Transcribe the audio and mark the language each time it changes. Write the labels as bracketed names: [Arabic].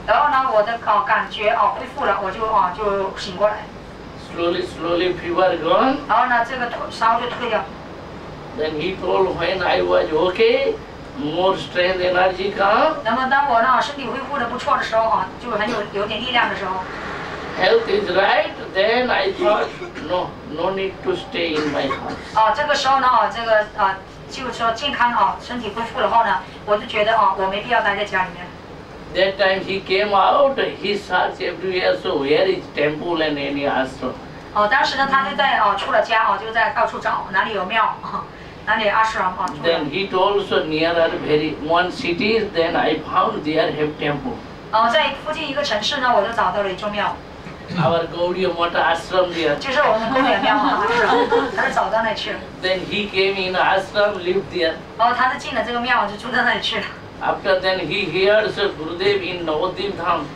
[Chinese] 然后呢，我的感觉哦恢复了，我就啊就醒过来。 [English] Slowly fever gone. [Chinese] 然后呢，这个烧就退掉。 [English] Then he told when I was okay. More strength, energy come. [Chinese] 那么当我呢身体恢复的不错的时候啊，就很有点力量的时候。 [English] Health is right, then I thought, no need to stay in my house. [Chinese] 啊，这个时候呢，这个啊，就是说健康啊，身体恢复了后呢，我就觉得啊，我没必要待在家里面。 [English] That time he came out, he searched everywhere, so where is temple and any ashram? [Chinese] 哦、啊，当时呢，他就在啊出了家啊，就在到处找哪里有庙哪里阿什拉吗 [English] ？Then he told so near a very one city. Then I found there have temple. [Chinese] 哦，在附近一个城市呢，我就找到了一座庙。 Our Gaudiya Mata Ashram there. 就是我们公园庙嘛，是吧？他就找到那去了。 [English] Then he came in ashram, lived there. [Chinese] 哦，他就进了这个庙，就住到那里去了。 [English] After then he heard so Gurudev in Navadvip Dham.